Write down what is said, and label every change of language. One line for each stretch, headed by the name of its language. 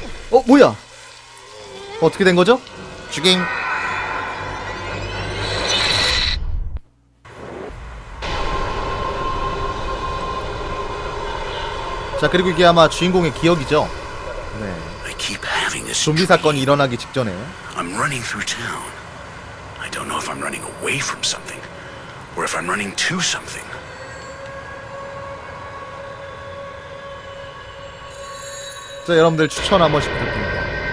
Korean: 어? 뭐야? 어떻게 된거죠? 죽임. 자 그리고 이게 아마 주인공의 기억이죠? 네 좀비 사건이 일어나기 직전에.
English: I'm running through town. I don't know if I'm running away from something or if I'm running to something.
Korean: 자, 여러분들 추천 한 번씩 부탁드립니다.